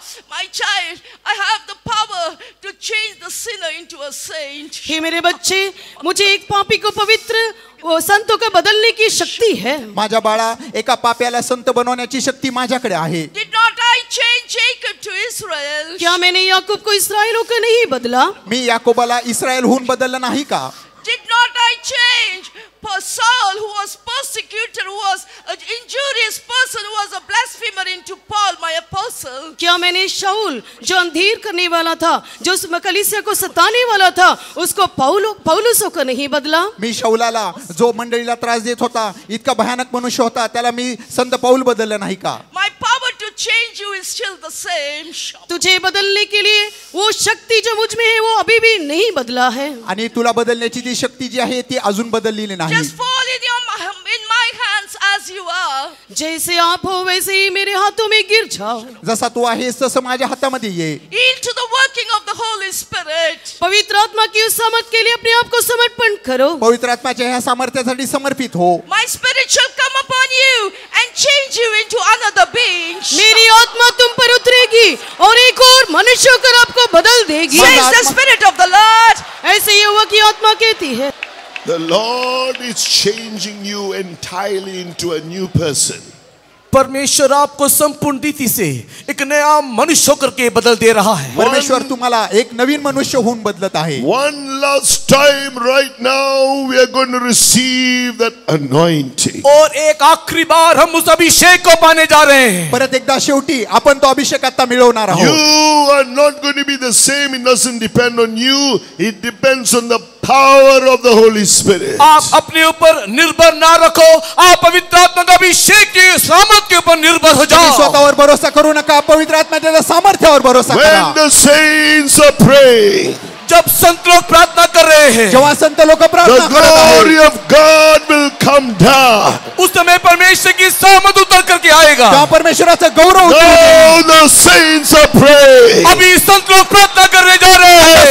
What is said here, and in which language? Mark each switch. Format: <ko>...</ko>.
<en>My child, I have the power to change the sinner into a saint.</en> <hi>हे मेरे बच्चे, मुझे एक पापी को पवित्र संतों का बदलने की शक्ति है।</hi> <mr>माझा बाळा, एका पाप्याला संत बनवण्याची शक्ती माझ्याकडे आहे।</mr> <en>Did not I change Jacob to Israel?</en> <hi>क्या मैंने याकूब को इस्रायलों का नहीं बदला?</hi> <mr>मी याकूबला इस्रायल हून बदलले नाही का?</mr> <en>Did not I change Saul, who was persecuted, who was an injurious person, who was a blasphemer, into Paul, my apostle?</en> <hi>क्या मैंने शाऊल, जो अंधेर करने वाला था, जो उस मकलिसिया को सताने वाला था, उसको पौलुसों को नहीं बदला?</hi> <mr>मी शाऊलाला, जो मंडळीला त्रास देत होता, इतका भयानक मनुष्य होता, त्याला मी संत पौल बदलला नाही का?</mr> <en>My power to change you is still the same.</en> <hi>तुझे बदलने के लिए वो शक्ति जो मुझ में है वो अभी भी नहीं बदला है.</hi> <mr>आणि तुला बदलण्याची जी शक्ति जी आहे ती अजून बदललेली नाही.</mr> <en>Just fall in your in my hands as you are.</en> <hi>जैसे आप हो वैसे ही मेरे हाथों में गिर जाओ.</hi> <mr>जसा तू आहेस तसे माझ्या हातामध्ये ये.</mr> <en>Into the working of the Holy Spirit.</en> <hi>पवित्र आत्मा की उस सामर्थ्य के लिए अपने आप को समर्पण करो.</hi> <mr>पवित्र आत्माच्या या सामर्थ्यासाठी समर्पित हो.</mr> <en>My spirit shall come upon you and change you into another being.</en> <hi>मेरी आत्मा तुम पर उतरेगी और एक और मनुष्य होकर आपको बदल देगी.</hi> <en>Says the spirit of the Lord.</en> <hi>ऐसे यहोवा की आत्मा कहती है.</hi> <en>The Lord is changing you entirely into a new person.</en> <hi>परमेश्वर आपको संपूर्ण रीति से एक नया मनुष्य होकर के बदल दे रहा है.</hi> <mr>परमेश्वर तुम्हाला एक नवीन मनुष्य होऊन बदलत आहे.</mr> <en>One last time right now we are going to receive that anointing.</en> <hi>और एक आखरी बार हम उस अभिषेक को पाने जा रहे हैं.</hi> <mr>परत एकदा शेवटी आपण तो अभिषेक आता मिळवणार आहोत.</mr> <en>You are not going to be the same. It doesn't depend on you. It depends on the power of the Holy Spirit.</en> <hi>आप अपने ऊपर निर्भर ना रखो. आप पवित्र आत्मा का अभिषेक के सामर्थ्य पर निर्भर हो जाओ.</hi> <mr>स्वतःवर भरोसा करू नका. पवित्र आत्म्याच्या सामर्थ्यावर भरोसा करा.</mr> <en>When the saints are praying.</en> <hi>जब संत लोक प्रार्थना कर रहे हैं.</hi> <mr>जेव्हा संत लोक प्रार्थना करत आहेत.</mr> <en>The glory of God will come down.</en> <hi>उस समय परमेश्वर की सामर्थ्य उतर करके आएगा.</hi> <mr>त्या परमेश्वराचा गौरव उतर.</mr> <en>Now the saints are praying.</en> <hi>अभी संत लोक प्रार्थना करने जा रहे हैं.</hi>